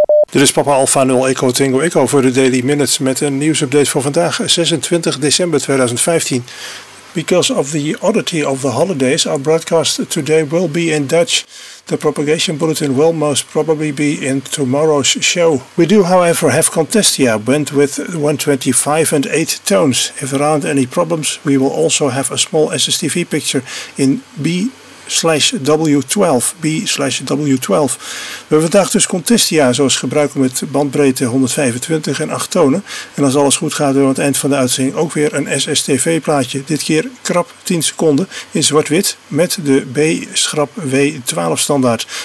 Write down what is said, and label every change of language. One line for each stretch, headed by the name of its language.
Dutch: Dit is Papa Alpha 0 Echo Tango Echo voor de Daily Minutes met een nieuwsupdate voor vandaag, 26 december 2015.
English: Because of the oddity of the holidays, our broadcast today will be in Dutch. The propagation bulletin will most probably be in tomorrow's show. We do, however, have Contestia, went with 125 and 8 tones. If there aren't any problems, we will also have a small SSTV picture in B/W12.
Dutch: We hebben vandaag dus Contestia zoals gebruikelijk met bandbreedte 125 en 8 tonen. En als alles goed gaat, doen we aan het eind van de uitzending ook weer een SSTV plaatje. Dit keer krap 10 seconden in zwart-wit met de B-W12 standaard.